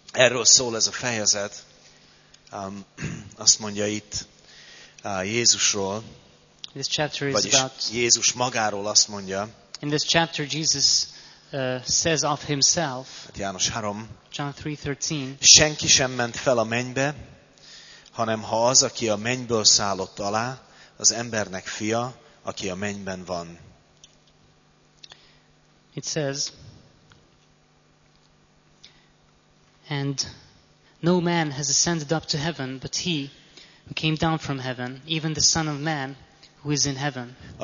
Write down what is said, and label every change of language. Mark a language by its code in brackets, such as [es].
[hu] Okay. És erről szól ez a fejezet. Azt mondja itt Jézusról, [en] this chapter is [hu] vagyis [en] about, [hu] Jézus magáról azt mondja. [en] In this chapter Jesus says of himself, [hu] János 3, [en] John 3:13, [hu] senki sem ment fel a mennybe, hanem ha az, aki a mennyből szállott alá, az embernek fia, aki a mennyben van. [en] It says, and no man has ascended up to heaven, but he who came down from heaven, even the Son of Man, who is in heaven.